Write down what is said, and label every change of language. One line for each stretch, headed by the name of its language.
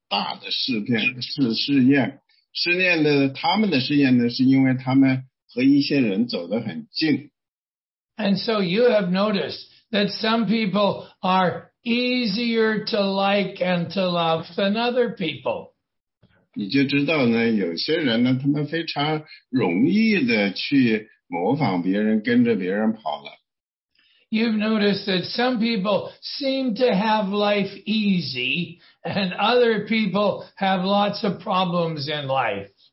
Chinese: 有些人呢，他们没有那么大的在这种撒谎啊、欺骗呐、偷盗方面没有太大的试验。试验的，他们的试验呢，是因为他们和一些人走得很近。
English: And so you have noticed that some people are easier to like and to love than other people.
Chinese: 你就知道呢，有些人呢，他们非常容易的去模仿别人，跟着别人跑了。
English: You've noticed that some people seem to have life easy, and other people have lots of problems in life.